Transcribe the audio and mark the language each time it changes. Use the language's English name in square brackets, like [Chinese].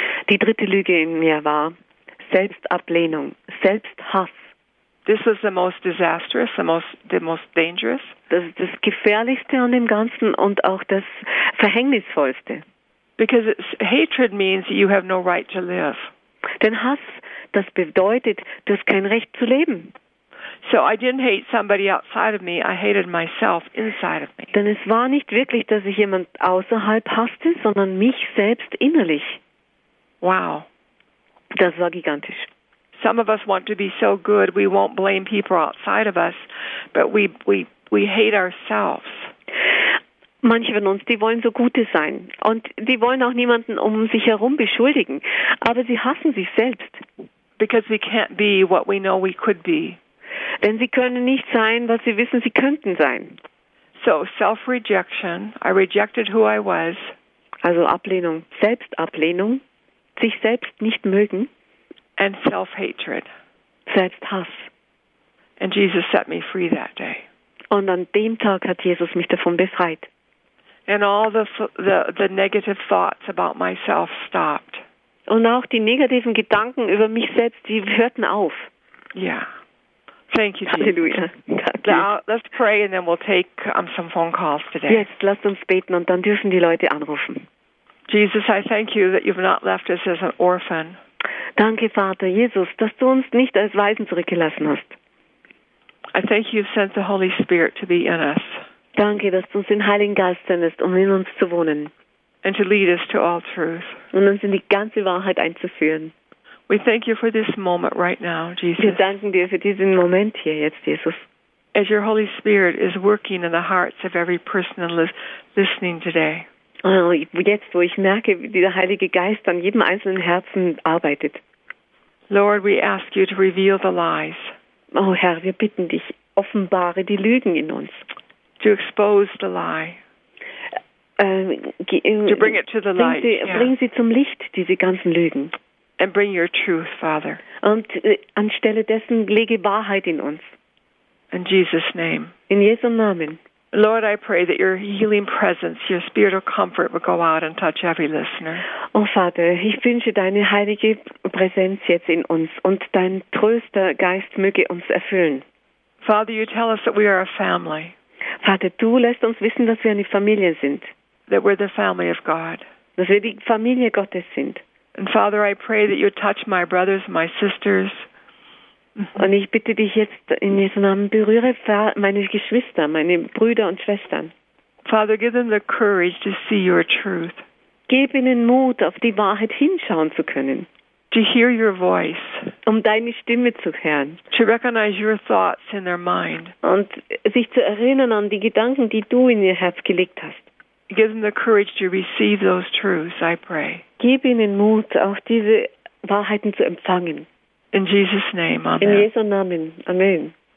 [German] Die dritte Lüge in mir war Selbstablehnung, Selbsthass. [English] This was the most disastrous, the most dangerous. [German] Das ist das Gefährlichste an dem Ganzen und auch das Verhängnisvollste. [English] Because hatred means you have no right to live. [German] Denn Hass, das bedeutet, du hast kein Recht zu leben. [English] So I didn't hate somebody outside of me, I hated myself inside of me. [German] Denn es war nicht wirklich, dass ich jemand außerhalb hasste, sondern mich selbst innerlich. [English] Wow. [German] Das war gigantisch. [English] Some of us want to be so good, we won't blame people outside of us, but we hate ourselves. [German] Manche von uns, die wollen so gute sein und die wollen auch niemanden um sich herum beschuldigen, aber sie hassen sich selbst. [English] Because we can't be what we know we could be. [German] Denn sie können nicht sein, was sie wissen, sie könnten sein. [English] So self-rejection, I rejected who I was. [German] Also Ablehnung, Selbstablehnung, sich selbst nicht mögen. [English] And self-hatred. [German] Selbsthass. [English] And Jesus set me free that day. [German] Und an dem Tag hat Jesus mich davon befreit. [English] And all the negative thoughts about myself stopped. [German] Und auch die negativen Gedanken über mich selbst, die hörten auf. [English] Yeah. Thank you, Jesus. Hallelujah. Thank you. Now, let's pray and then we'll take some phone calls today. [German] Jetzt lasst uns beten und dann dürfen die Leute anrufen. [English] Jesus, I thank you that you've not left us as an orphan. [German] Danke, Vater Jesus, dass du uns nicht als Waisen zurückgelassen hast. [English] I thank you you've sent the Holy Spirit to be in us. [German] Danke, dass du uns den Heiligen Geist sendest, um in uns zu wohnen. [English] And to lead us to all truth. [German] Und uns in die ganze Wahrheit einzuführen. [English] We thank you for this moment right now, Jesus. [German] Wir danken dir für diesen Moment hier jetzt, Jesus. [English] As your Holy Spirit is working in the hearts of every person listening today. [German] Oh, jetzt, wo ich merke, wie der Heilige Geist an jedem einzelnen Herzen arbeitet. [English] Lord, we ask you to reveal the lies. [German] Oh Herr, wir bitten dich, offenbare die Lügen in uns. [English] To expose the lie. to bring it to the light. [German] Bring sie zum Licht, diese ganzen Lügen. [English] And bring your truth, Father. [German] Und anstelle dessen lege Wahrheit in uns. [English] In Jesus' name. [German] In Jesu Namen. [English] Lord, I pray that your healing presence, your spirit of comfort will go out and touch every listener. [German] Oh Vater, ich wünsche deine heilige Präsenz jetzt in uns und dein tröster Geist möge uns erfüllen. [English] Father, you tell us that we are a family. [German] Vater, du lässt uns wissen, dass wir eine Familie sind. [English] That we're the family of God. [German] Dass wir die Familie Gottes sind. [English] And Father, I pray that you touch my brothers, my sisters. [German] Und ich bitte dich jetzt in Jesu Namen, berühre meine Geschwister, meine Brüder und Schwestern. [English] Father, give them the courage to see your truth. [German] Gib ihnen Mut, auf die Wahrheit hinschauen zu können. [English] To hear your voice. [German] Um deine Stimme zu hören. [English] To recognize your thoughts in their mind. [German] Und sich zu erinnern an die Gedanken, die du in ihr Herz gelegt hast. [English] Give them the courage to receive those truths, I pray. [German] Gib ihnen Mut, auch diese Wahrheiten zu empfangen. [English] In Jesus' name, Amen. [German] In Jesu Namen, Amen.